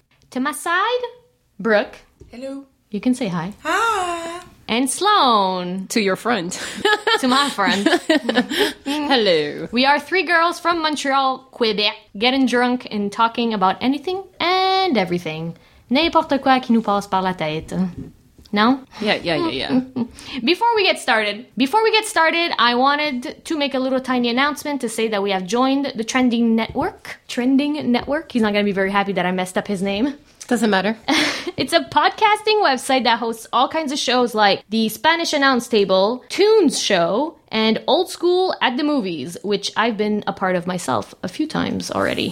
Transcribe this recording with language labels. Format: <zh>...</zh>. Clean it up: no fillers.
<en>To my side, Brooke. Hello. You can say hi. Hi. And Sloane. To your front. To my front. Hello. We are three girls from Montreal, Quebec, getting drunk and talking about anything and everything.</en> <fr>N'importe quoi qui nous passe par la tête.</fr> <en>No? Yeah. Before we get started, I wanted to make a little tiny announcement to say that we have joined the Trending Network. Trending Network. He's not going to be very happy that I messed up his name. Doesn't matter. It's a podcasting website that hosts all kinds of shows like the Spanish Announce Table, Tunes Show, and Old School at the Movies, which I've been a part of myself a few times already.</en>